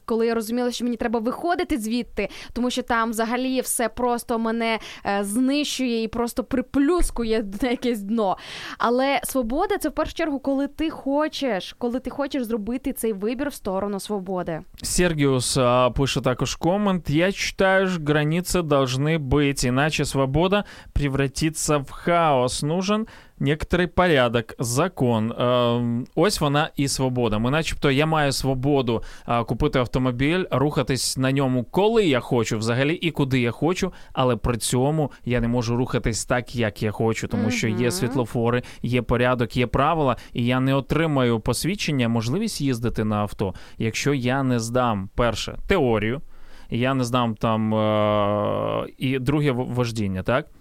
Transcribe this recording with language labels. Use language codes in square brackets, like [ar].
[uk] Коли я розуміла, що мені треба виходити звідти, тому що там взагалі все просто мене знищує і просто приплюскує на якесь дно. Але свобода – це в першу чергу, коли ти хочеш зробити цей вибір в сторону свободи. [ru] Сергіус пише також комент: «Я читаю, границі должны быть, иначе свобода превратится в хаос. Нужен некоторий порядок, закон». [uk] Ось вона і свобода. Ми начебто, я маю свободу купити автомобіль, рухатись на ньому коли я хочу, взагалі і куди я хочу, але при цьому я не можу рухатись так, як я хочу, тому що є світлофори, є порядок, є правила, і я не отримаю посвідчення, можливість їздити на авто, якщо я не здам, перше, теорію, я не здам там і друге, вождіння, так?